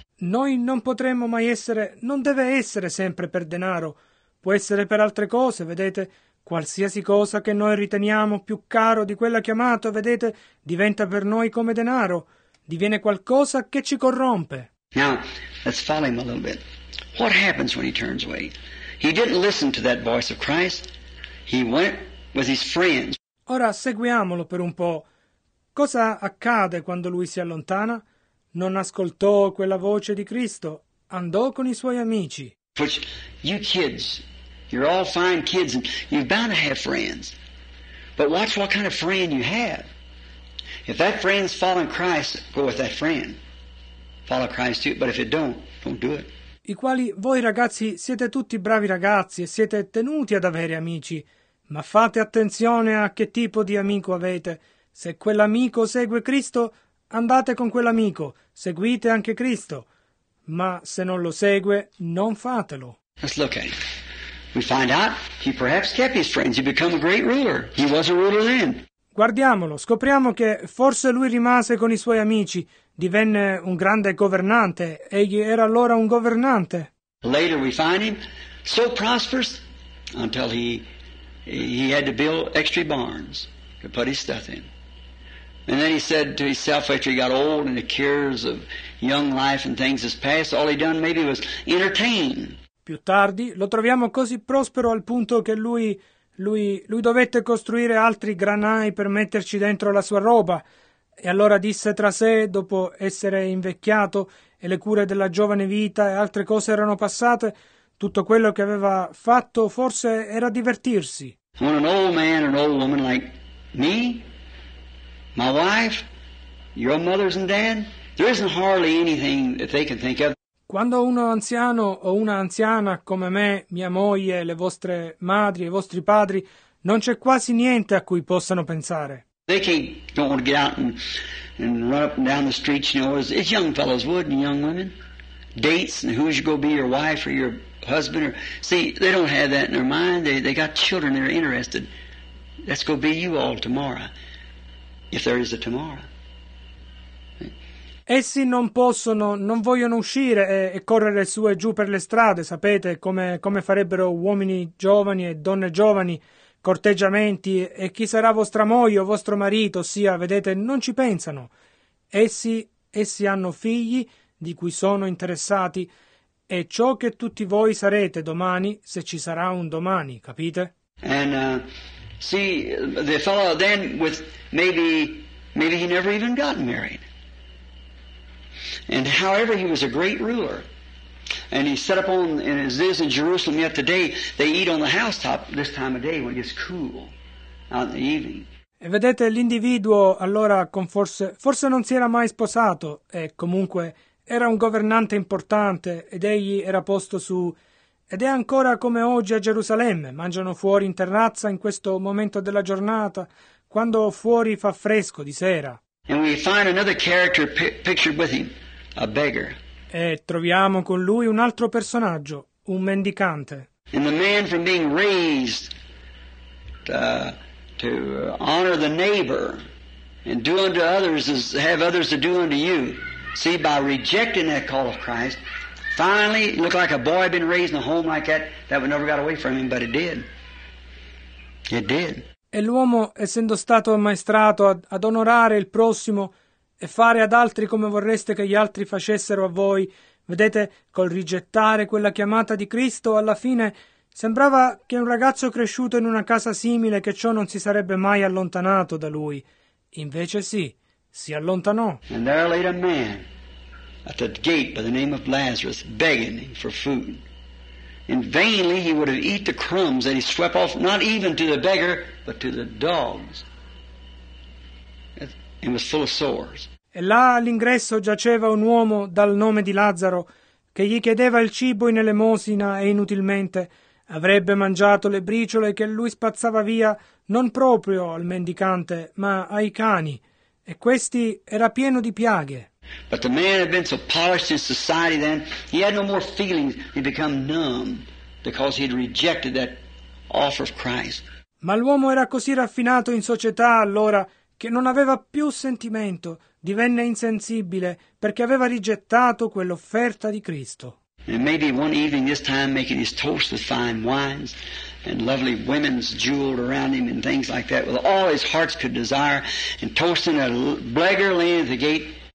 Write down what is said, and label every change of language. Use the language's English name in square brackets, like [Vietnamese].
[Italian] Noi non potremmo mai essere, non deve essere sempre per denaro. Può essere per altre cose, vedete? Qualsiasi cosa che noi riteniamo più caro di quella chiamata, vedete, diventa per noi come denaro. Diviene qualcosa che ci corrompe. [English] Now, let's follow him a little bit. What happens when he turns away? He didn't listen to that voice of Christ. He went with his friends. [Italian] Ora seguiamolo per un po'. Cosa accade quando lui si allontana? Non ascoltò quella voce di Cristo, andò con i suoi amici. [English] Which, you kids, you're all fine kids, and you're bound to have friends. But watch what kind of friend you have. If that friend's following Christ, go with that friend. Follow Christ too, but if it don't do it. [Italian] I quali voi ragazzi siete tutti bravi ragazzi e siete tenuti ad avere amici, ma fate attenzione a che tipo di amico avete. Se quell'amico segue Cristo, andate con quell'amico, seguite anche Cristo, ma se non lo segue, non fatelo. [English] Let's look at him. We find out he perhaps kept his friends. He became a great ruler. He was a ruler then. [Italian] Guardiamolo, scopriamo che forse lui rimase con i suoi amici, divenne un grande governante. Egli era allora un governante. [English] Later we find him so prosperous until he had to build extra barns to put his stuff in. And then he said to himself, after he got old and the cares of young life and things has passed, all he done maybe was entertain. [Italian] Più tardi lo troviamo così prospero al punto che lui dovette costruire altri granai per metterci dentro la sua roba. E allora disse tra sé, dopo essere invecchiato e le cure della giovane vita e altre cose erano passate, tutto quello che aveva fatto forse era divertirsi. [English] When an old man, an old woman like me, my wife, Your mothers and dad, there isn't hardly anything that they can think of. [Italian] Quando un anziano o una anziana come me, mia moglie, le vostre madri e i vostri padri, non c'è quasi niente a cui possano pensare. [English] They don't want to get out and run up and down the streets, you know, as young fellows would and young women. Dates and who's going to be your wife or your husband. They don't have that in their mind. They got children that are interested. That's going to be you all tomorrow, if there is a tomorrow. [Italian] Essi non possono, non vogliono uscire e correre su e giù per le strade, sapete, come farebbero uomini giovani e donne giovani, corteggiamenti, e chi sarà vostra moglie o vostro marito, ossia, vedete, non ci pensano. Essi hanno figli di cui sono interessati, e ciò che tutti voi sarete domani, se ci sarà un domani, capite? [English] The fellow then with maybe he never even got married. And however, he was a great ruler, and he set up on, and as is in Jerusalem yet today, they eat on the housetop this time of day when it's cool, out in the evening. [Italian] E vedete, l'individuo allora con forse non si era mai sposato, e comunque era un governante importante, ed egli era posto su, ed è ancora come oggi a Gerusalemme, mangiano fuori in terrazza in questo momento della giornata, quando fuori fa fresco di sera. [English] And we find another character pictured with him, a beggar. [Italian] E troviamo con lui un altro personaggio, un mendicante. [English] And the man from being raised to honor the neighbor and do unto others as have others to do unto you. See, by rejecting that call of Christ, finally it looked like a boy been raised in a home like that, that would never got away from him, but it did. It did. [Italian] E l'uomo, essendo stato ammaestrato ad onorare il prossimo e fare ad altri come vorreste che gli altri facessero a voi, vedete, col rigettare quella chiamata di Cristo, alla fine sembrava che un ragazzo cresciuto in una casa simile, che ciò non si sarebbe mai allontanato da lui. Invece sì, si allontanò. [English] And there laid a man at the gate by the name of Lazarus, begging him for food. And vainly he would have eaten the crumbs that he swept off, not even to the beggar, but to the dogs. And was full of sores. [Italian] E là all'ingresso giaceva un uomo dal nome di Lazzaro, che gli chiedeva il cibo in elemosina e inutilmente avrebbe mangiato le briciole che lui spazzava via, non proprio al mendicante, ma ai cani. E questi era pieno di piaghe. [English] But the man had been so polished in society then, he had no more feelings, he'd become numb because he'd rejected that offer of Christ. [Italian] Ma l'uomo era così raffinato in società allora che non aveva più sentimento, divenne insensibile perché aveva rigettato quell'offerta di Cristo. [English] And maybe one evening this time making his toast with fine wines and lovely women's jeweled around him and things like that with all his hearts could desire and toasting a beggar laying at the gate.